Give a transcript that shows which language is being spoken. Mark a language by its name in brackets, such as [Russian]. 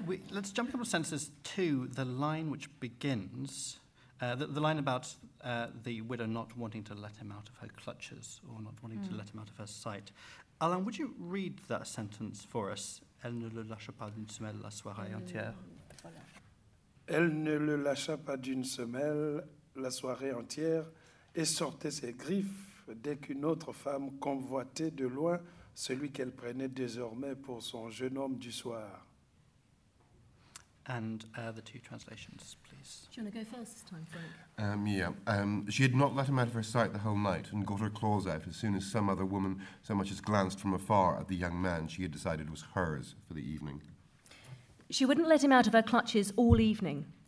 [English] Let's jump a couple of sentences to the line which begins. The line about the widow not wanting to let him out of her clutches or not wanting to let him out of her sight. Alain, would you read that sentence for us? [French] Elle ne le lâcha pas d'une semelle la soirée entière. Elle ne le lâcha pas d'une semelle la soirée entière et sortait ses griffes dès qu'une autre femme convoitait de loin celui qu'elle prenait désormais pour son jeune homme du soir. [English] And the two translations, please. Do you want to go first this time, Frank? She had not let him out of her sight the whole night and got her claws out as soon as some other woman so much as glanced from afar at the young man she had decided was hers for the evening. She wouldn't let him out of her clutches all evening.